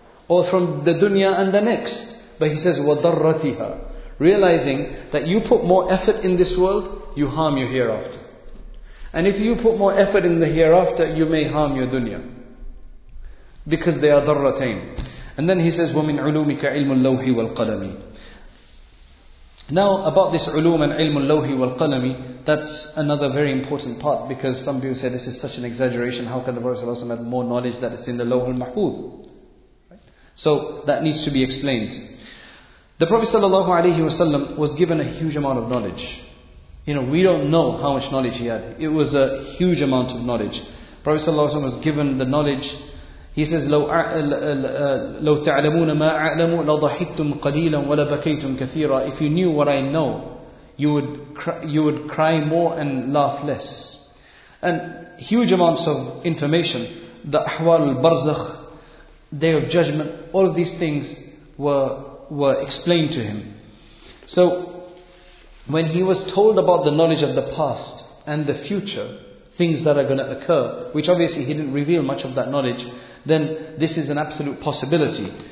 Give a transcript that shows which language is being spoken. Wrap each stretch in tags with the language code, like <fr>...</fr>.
<en>Or from the dunya and the next. But he says, وَضَرَّتِهَا. Realizing that you put more effort in this world, you harm your hereafter. And if you put more effort in the hereafter, you may harm your dunya. Because they are ضَرَّتَيْن. And then he says,</en> <ar>وَمِنْ عُلُومِكَ عِلْمُ اللَّوْحِ وَالْقَلَمِ.</ar> <en>Now about this ulum and ilm al-lawhi wal-qalami, that's another very important part, because some people say this is such an exaggeration. How can the Prophet ﷺ have more knowledge that it's in the lawhul mahfuz? So that needs to be explained. The Prophet ﷺ was given a huge amount of knowledge. You know, we don't know how much knowledge he had. It was a huge amount of knowledge. The Prophet ﷺ was given the knowledge. He says,</en> <ar>لَوْ تَعْلَمُونَ مَا أَعْلَمُوا لَضَحِكْتُمْ قَلِيلًا وَلَبَكَيْتُمْ كَثِيرًا.</ar> <en>If you knew what I know, you would cry more and laugh less. And huge amounts of information, the</en> <ar>أحوال البرزخ,</ar> <en>Day of Judgment, all of these things were explained to him. So when he was told about the knowledge of the past and the future, things that are going to occur, which obviously he didn't reveal much of that knowledge, then this is an absolute possibility.</en>